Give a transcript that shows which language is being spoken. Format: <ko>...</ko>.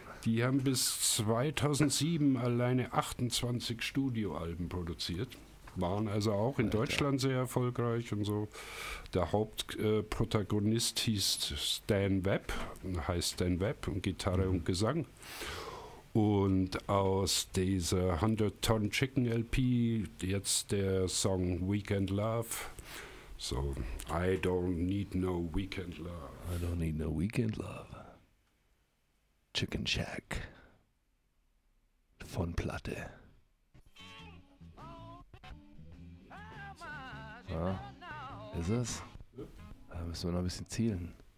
<de>Die haben bis 2007 alleine 28 Studioalben produziert, waren also auch in Deutschland sehr erfolgreich und so. Der Hauptprotagonist hieß Stan Webb, heißt Stan Webb und Gitarre und Gesang. Und aus dieser 100 Ton Chicken LP jetzt der Song Weekend Love.</de> <en>So, I don't need no weekend love. I don't need no weekend love.</en> <de>Chicken Shack von Platte. Ah, ist es? Da müssen wir noch ein bisschen zielen.</de>